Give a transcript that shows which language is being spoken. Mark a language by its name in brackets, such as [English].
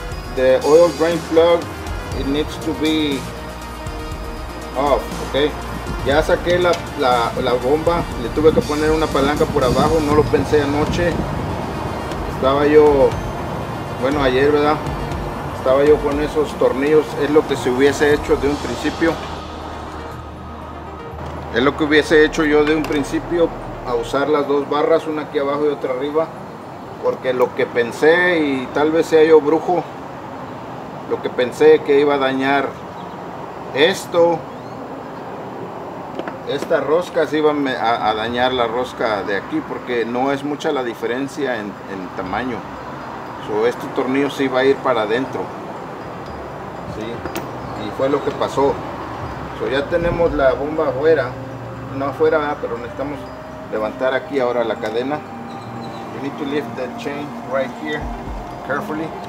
[English] The oil drain plug, it needs to be off, okay? [Spanish] Ya saqué la bomba, le tuve que poner una palanca por abajo, no lo pensé anoche. Estaba yo, bueno, ayer, ¿verdad? Estaba yo con esos tornillos, es lo que se hubiese hecho de un principio. Es lo que hubiese hecho yo de un principio, a usar las dos barras, una aquí abajo y otra arriba. Porque lo que pensé, y tal vez sea yo brujo, lo que pensé que iba a dañar esto, esta rosca, se iba a dañar la rosca de aquí, porque no es mucha la diferencia en tamaño. So, este tornillo se iba a ir para adentro, ¿sí? Y fue lo que pasó. So, ya tenemos la bomba afuera, no afuera, pero necesitamos levantar aquí ahora la cadena. [English] You need to lift that chain right here, carefully.